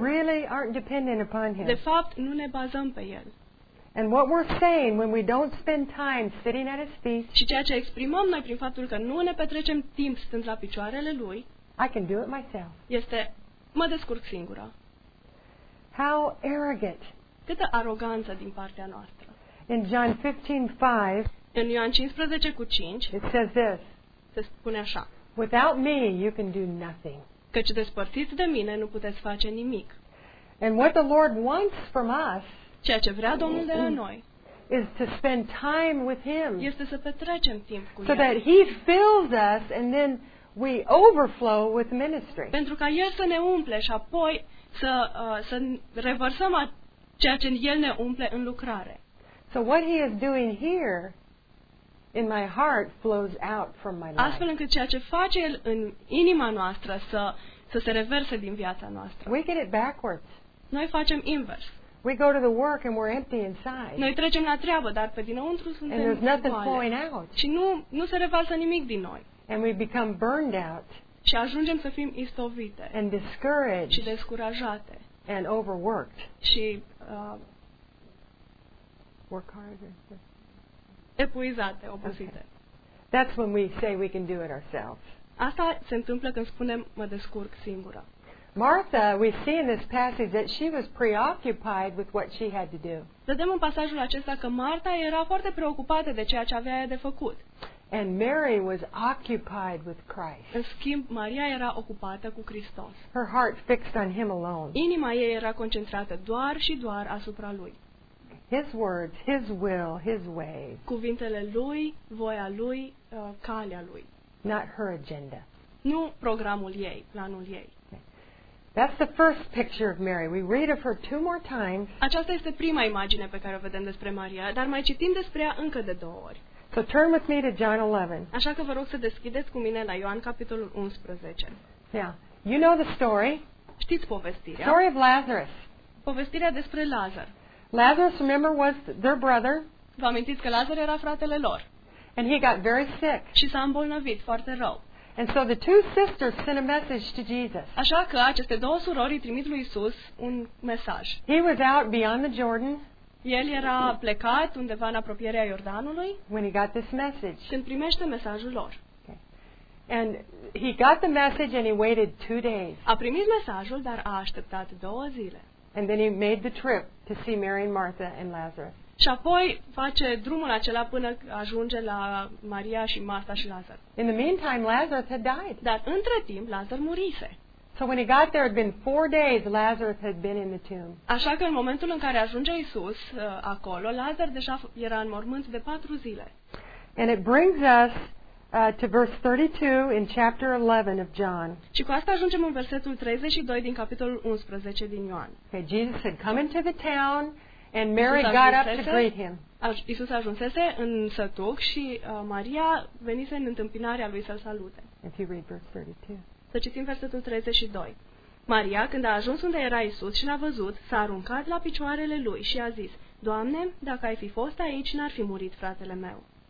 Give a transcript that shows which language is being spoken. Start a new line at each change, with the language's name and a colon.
English: We really aren't dependent upon him.
Romanian: De fapt, nu ne bazăm pe el.
English: And what we're saying when we don't spend time sitting at his feet?
Romanian: Și ceea ce exprimăm noi prin faptul că nu ne petrecem timp stând la picioarele lui?
English: I can do it myself.
Romanian: Este mă descurc singură.
English: How arrogant.
Romanian: Câtă aroganță din partea noastră.
English: In John 15:5,
Romanian: în Ioan 15:5,
English: it says this.
Romanian: Se spune așa.
English: Without me, you can do nothing.
Romanian: Căci despărțiți de mine, nu puteți face nimic.
English: And what the Lord wants from us,
Romanian: ceea ce vrea Domnul de la noi,
English: is to spend time with him.
Romanian: Este să petrecem timp cu
English: so
Romanian: el.
English: That he fills us and then we overflow with ministry.
Romanian: Pentru ca el să ne umple și apoi să revărsăm ceea ce el ne umple în lucrare.
English: So what he is doing here in my heart flows out from my life.
Romanian: Astfel încât ceea ce face el în inima noastră să se reverse din viața noastră.
English: We get it backwards.
Romanian: Noi facem invers.
English: We go to the work and we're empty inside.
Romanian: Noi trecem la treabă, dar pe dinăuntru suntem goale.
English: And there's nothing flowing out.
Romanian: Și nu se revarsă nimic din noi.
English: And we become burned out.
Romanian: Și ajungem să fim istovite.
English: And discouraged.
Romanian: Și descurajate.
English: And overworked.
Romanian: Și
English: work harder.
Romanian: Epuizate, obosite.
English: Okay. That's when we say we can do it ourselves.
Romanian: Asta se întâmplă când spunem mă descurc singură.
English: Martha, we see in this passage that she was preoccupied with what she had to do.
Romanian: Vedem în pasajul acesta că Martha era foarte preocupată de ceea ce avea de făcut.
English: And Mary was occupied with Christ.
Romanian: În schimb, Maria era ocupată cu Hristos.
English: Her heart fixed on him alone.
Romanian: Inima ei era concentrată doar și doar asupra lui.
English: His words, his will, his way.
Romanian: Cuvintele lui, voia lui, calea lui.
English: Not her agenda.
Romanian: Nu programul ei, planul ei.
English: That's the first picture of Mary. We read of her two more times.
Romanian: Aceasta este prima imagine pe care o vedem despre Maria, dar mai citim despre ea încă de două ori.
English: So turn with me to John 11.
Romanian: Așa că vă rog să deschideți cu mine la Ioan capitolul 11.
English: Yeah. You know the story?
Romanian: Știți povestirea?
English: Story of Lazarus.
Romanian: Povestirea despre Lazar.
English: Lazarus, remember, was their brother.
Romanian: Vă amintiți că Lazar era fratele lor.
English: And he got very sick.
Romanian: Și s-a îmbolnăvit foarte rău.
English: And so the two sisters sent a message to Jesus.
Romanian: Așa că aceste două surori trimit lui Isus un mesaj.
English: He was out beyond the Jordan.
Romanian: El era plecat undeva în apropierea Iordanului.
English: When he got this message.
Romanian: Când primește mesajul lor.
English: Okay. And he got the message and he waited 2 days.
Romanian: A primit mesajul, dar a așteptat 2 zile.
English: And then he made the trip to see Mary and Martha and Lazarus.
Romanian: Și apoi face drumul acela până ajunge la Maria și Marta și Lazar.
English: In the meantime, Lazarus had died.
Romanian: Dar între timp Lazar murise.
English: So when he got there, it had been 4 days Lazarus had been in the tomb.
Romanian: Așa că în momentul în care ajunge Iisus acolo, Lazar deja era în mormânt de 4 zile.
English: And it brings us to verse 32 in chapter 11 of John.
Romanian: Și cu asta ajungem în versetul 32 din capitolul 11 din Ioan.
English: Okay, Jesus had come into the town and Mary got up to greet him.
Romanian: Iisus ajunsese în sătuc și Maria venise în întâmpinarea lui să-l salute.
English: If you read verse 32.
Romanian: Să citim versetul 32. Maria, când a ajuns unde era Iisus și l-a văzut, s-a aruncat la picioarele lui și a zis: Doamne, dacă ai fi fost aici, n-ar fi murit fratele meu.